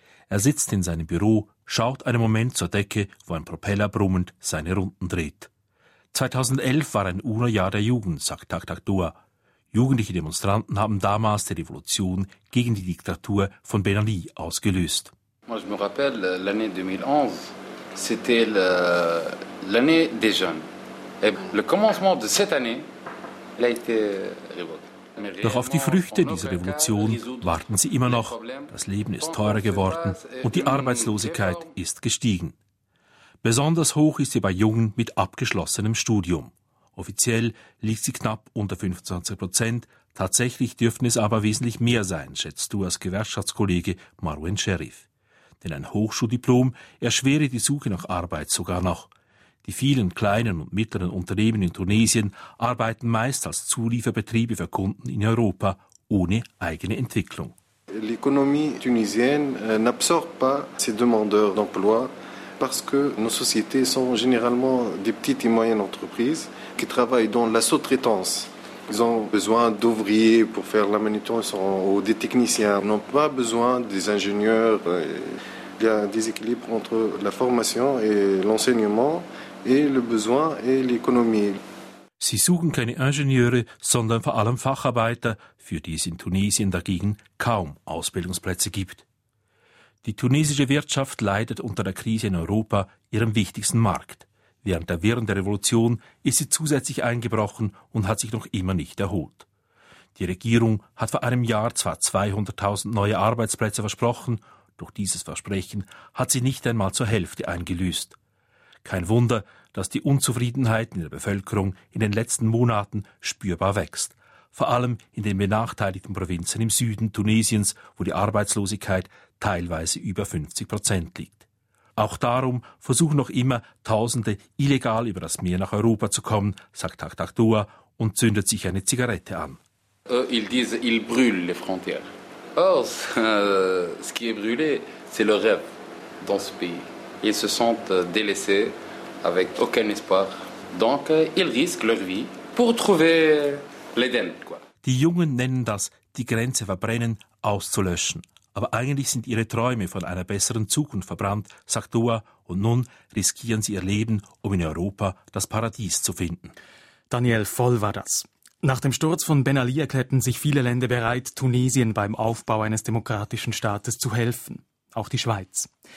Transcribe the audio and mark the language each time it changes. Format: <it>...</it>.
<de>Er sitzt in seinem Büro, schaut einen Moment zur Decke, wo ein Propeller brummend seine Runden dreht. 2011 war ein Urjahr der Jugend, sagt Tahtak Doua. Jugendliche Demonstranten haben damals die Revolution gegen die Diktatur von Ben Ali ausgelöst.</de> <fr>Moi, je me rappelle, l'année 2011, c'était l'année des jeunes. Et le commencement de cette année, elle a été révoltée.</fr> <de>Doch auf die Früchte dieser Revolution warten sie immer noch. Das Leben ist teurer geworden und die Arbeitslosigkeit ist gestiegen. Besonders hoch ist sie bei Jungen mit abgeschlossenem Studium. Offiziell liegt sie knapp unter 25%, tatsächlich dürften es aber wesentlich mehr sein, schätzt du als Gewerkschaftskollege Marwan Sherif. Denn ein Hochschuldiplom erschwere die Suche nach Arbeit sogar noch. Die vielen kleinen und mittleren Unternehmen in Tunesien arbeiten meist als Zulieferbetriebe für Kunden in Europa ohne eigene Entwicklung.</de> <fr>L'économie tunisienne n'absorbe pas ces demandeurs d'emploi parce que nos sociétés sont généralement des petites et moyennes entreprises qui travaillent dans la sous-traitance. Ils ont besoin d'ouvriers pour faire la manutention ou des techniciens. Ils n'ont pas besoin des ingénieurs. Il y a un déséquilibre entre la formation et l'enseignement. Et le besoin et l'économie.</fr> <de>Sie suchen keine Ingenieure, sondern vor allem Facharbeiter, für die es in Tunesien dagegen kaum Ausbildungsplätze gibt. Die tunesische Wirtschaft leidet unter der Krise in Europa, ihrem wichtigsten Markt. Während der Wirren der Revolution ist sie zusätzlich eingebrochen und hat sich noch immer nicht erholt. Die Regierung hat vor einem Jahr zwar 200.000 neue Arbeitsplätze versprochen, doch dieses Versprechen hat sie nicht einmal zur Hälfte eingelöst. Kein Wunder, dass die Unzufriedenheit in der Bevölkerung in den letzten Monaten spürbar wächst. Vor allem in den benachteiligten Provinzen im Süden Tunesiens, wo die Arbeitslosigkeit teilweise über 50% liegt. Auch darum versuchen noch immer Tausende illegal über das Meer nach Europa zu kommen, sagt Tahtak Doua und zündet sich eine Zigarette an.</de> <fr>Ils disent, ils brûlent les frontières. Or, ce qui est brûlé, c'est le rêve dans ce pays. Ils se sentent délaissés, avec aucun espoir. Donc, ils risquent leur vie pour trouver l'Eden.</fr> <de>Die Jungen nennen das, die Grenze verbrennen, auszulöschen. Aber eigentlich sind ihre Träume von einer besseren Zukunft verbrannt, sagt Doua, und nun riskieren sie ihr Leben, um in Europa das Paradies zu finden. Daniel Voll war das. Nach dem Sturz von Ben Ali erklärten sich viele Länder bereit, Tunesien beim Aufbau eines demokratischen Staates zu helfen. Auch die Schweiz.</de>